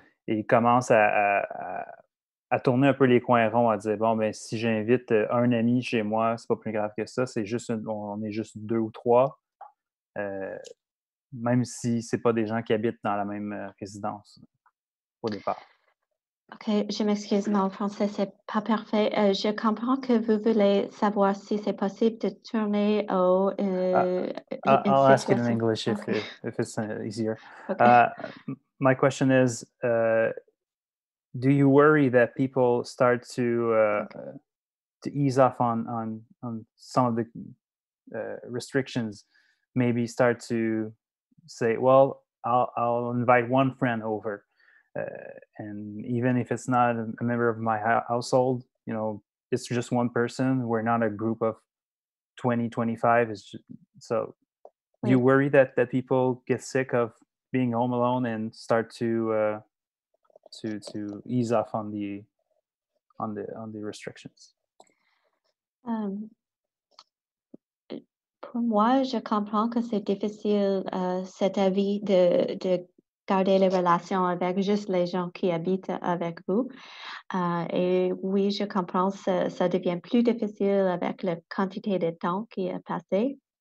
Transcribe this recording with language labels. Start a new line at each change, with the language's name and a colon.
French: Et il commence à tourner un peu les coins ronds, à dire, bon, ben si j'invite un ami chez moi, c'est pas plus grave que ça, c'est juste on est juste 2 ou 3, même si c'est pas des gens qui habitent dans la même résidence au départ. OK, je m'excuse, mais en français, c'est pas parfait. Je comprends que vous voulez savoir si c'est possible de tourner au...
English: I'll ask it in English if it's easier. Okay. My question is, do you worry that people start to ease off on some of the restrictions, maybe start to say, well, I'll invite one friend over. And even if it's not a member of my household, you know, it's just one person. We're not a group of 2025 is just, so right. You worry that people get sick of being home alone and start to ease off on the restrictions.
French: Pour moi, je comprends que c'est difficile cet avis de garder les relations avec juste les gens qui habitent avec vous. Et oui, je comprends, ça devient plus difficile avec la quantité de temps qui est passé.